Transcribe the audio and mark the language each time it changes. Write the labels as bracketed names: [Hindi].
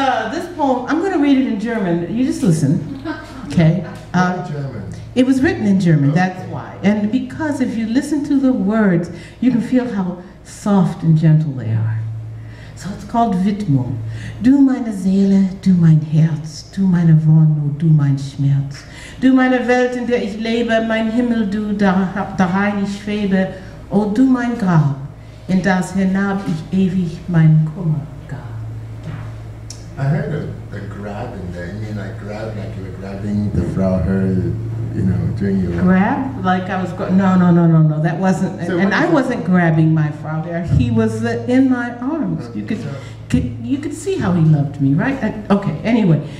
[English] this poem, I'm going to read it in German. You just listen. Okay. In German. It was written in German, that's why. And because if you listen to the words, you can feel how soft and gentle they are. So it's called Widmung. [German] Du meine Seele, du mein Herz, du meine Wonne, du mein Schmerz. Du meine Welt, in der ich lebe, mein Himmel, du dahin ich schwebe. O du mein Grab, in das hinab ich ewig mein Kummer gab. [English] I heard a grab in there. You mean like grab, like you were grabbing the Frau Herr, you know, doing your... Grab? Like I was... No. That wasn't... So and I wasn't grabbing my Frau Herr. He was in my arms. Okay, you could see how he loved me, right? Okay, anyway.